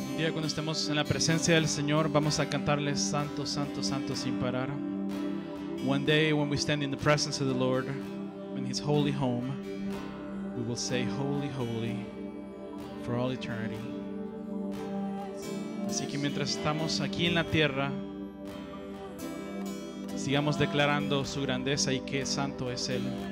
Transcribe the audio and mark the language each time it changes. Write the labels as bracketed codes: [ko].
[es] Cuando estemos en la presencia del Señor, vamos a cantarle santo, santo, santo sin parar. [en] One day when we stand in the presence of the Lord in His holy home, we will say holy, holy for all eternity. [es] Así que mientras estamos aquí en la tierra, sigamos declarando su grandeza y que santo es Él.